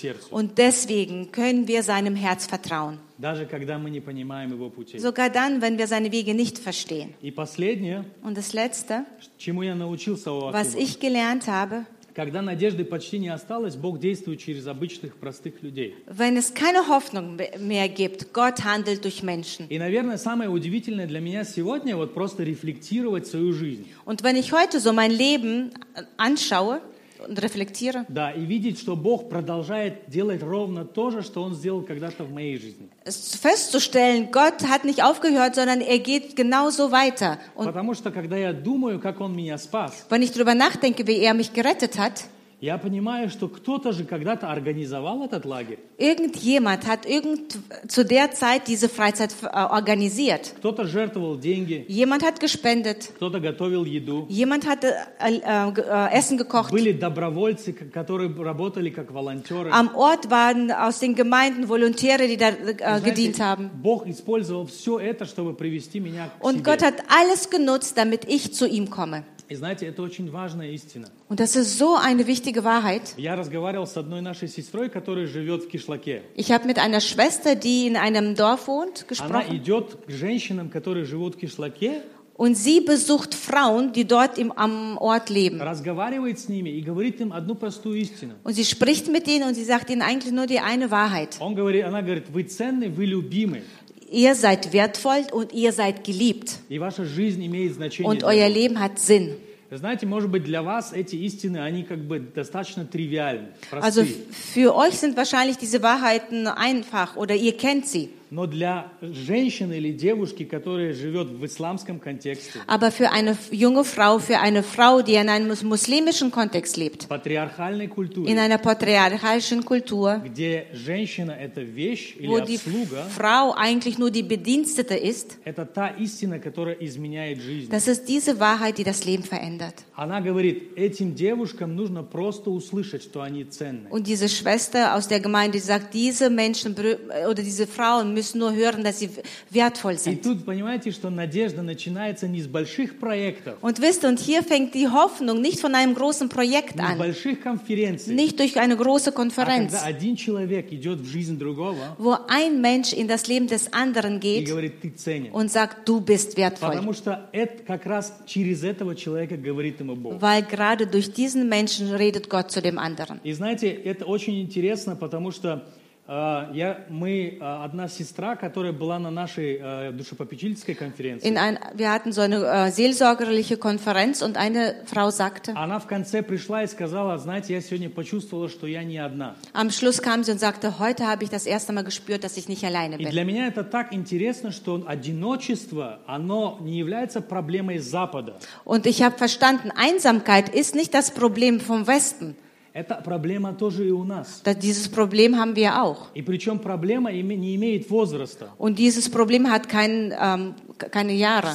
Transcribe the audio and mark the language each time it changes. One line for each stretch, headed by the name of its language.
German: Und deswegen können wir seinem Herz vertrauen. Sogar dann, wenn wir seine Wege nicht verstehen. Und das Letzte, was ich gelernt habe,
Russian: когда надежды почти не осталось, Бог действует через обычных, простых людей.
German: Wenn es keine Hoffnung mehr gibt, Gott handelt durch Menschen.
Russian: И, наверное, самое удивительное для меня сегодня вот просто рефлектировать свою жизнь.
German: Und wenn ich heute so mein Leben anschaue und reflektiere.
Russian: Да, и видеть, что Бог продолжает делать ровно то же, что Он сделал когда-то в моей жизни.
German: Festzustellen, Gott hat nicht aufgehört, sondern er geht genauso weiter.
Russian: Und потому что, когда я думаю, как Он меня спас,
German: wenn ich darüber nachdenke, wie er mich gerettet hat,
Russian: Я понимаю, что кто-то же когда-то организовал этот лагерь.
German: Irgendjemand hat irgend zu der Zeit diese Freizeit organisiert.
Russian: Кто-то жертвовал деньги.
German: Jemand hat gespendet.
Russian: Кто-то готовил еду.
German: Jemand hat Essen gekocht.
Russian: Были добровольцы, которые работали как волонтеры.
German: Am Ort waren aus den Gemeinden Volontäre, die da gedient haben.
Russian: Бог использовал все это, чтобы привести меня к себе.
German: Und Gott hat alles genutzt, damit ich zu ihm komme.
Russian: И знаете, это очень важная истина.
German: Und das ist so eine wichtige Wahrheit.
Russian: Я разговаривал с одной нашей сестрой, которая живет в Кишлаке.
German: Ich habe mit einer Schwester, die in einem Dorf wohnt, gesprochen.
Russian: Она идет к женщинам, которые живут в Кишлаке.
German: Und sie besucht Frauen, die dort am Ort leben.
Russian: Разговаривает с ними и говорит им одну простую истину.
German: Und sie spricht mit ihnen und sie sagt ihnen eigentlich nur die eine Wahrheit.
Russian: Она говорит, вы ценны, вы любимы.
German: Ihr seid wertvoll und ihr seid geliebt. Und euer Leben hat Sinn.
Russian: Знаете, может быть, для вас эти истины, они как бы достаточно тривиальны, просты.
German: Also für euch sind wahrscheinlich diese Wahrheiten einfach oder ihr kennt sie.
Russian: Но для женщины или девушки, которая живет в исламском контексте.
German: Aber für eine junge Frau, für eine Frau, die in einem muslimischen Kontext lebt.
Russian: Патриархальной культуре.
German: In einer patriarchalischen Kultur.
Russian: Где женщина это вещь или обслуга.
German: Wo die Frau eigentlich nur die Bedienstete ist.
Russian: Это та истина, которая изменяет жизнь.
German: Das ist diese Wahrheit, die das Leben verändert.
Russian: Она говорит, этим девушкам нужно просто услышать, что они ценны.
German: Und diese Schwester aus der Gemeinde sagt, diese Menschen oder diese Frauen müssen nur hören, dass sie wertvoll sind.
Russian: И тут понимаете, что надежда начинается не с больших проектов.
German: Und wisst, und hier fängt die Hoffnung nicht von einem großen Projekt an.
Russian: Не с больших конференций.
German: Nicht durch eine große Konferenz.
Russian: А когда один человек идет в жизнь другого.
German: Wo ein Mensch in das Leben des anderen geht.
Russian: И говорит, ты ценен.
German: Und sagt, du bist wertvoll.
Russian: Потому что это как раз через этого человека говорит ему Бог.
German: Weil gerade durch diesen Menschen redet Gott zu dem anderen.
Russian: И знаете, это очень интересно, потому что одна сестра, которая была на нашей душепопечительской конференции.
German: Wir hatten so eine seelsorgerliche Konferenz und eine Frau sagte.
Russian: Она в конце пришла и сказала, знаете, я сегодня почувствовала, что я не одна.
German: Am Schluss kam sie und sagte, heute habe ich das erste Mal gespürt, dass ich nicht alleine bin.
Russian: И для меня это так интересно, что одиночество, оно не является проблемой Запада.
German: Und ich habe verstanden, Einsamkeit ist nicht das Problem vom Westen.
Russian: Это проблема тоже и у нас.
German: Да, dieses Problem haben wir auch.
Russian: И причем проблема не имеет возраста.
German: Und dieses Problem hat kein, keine Jahre.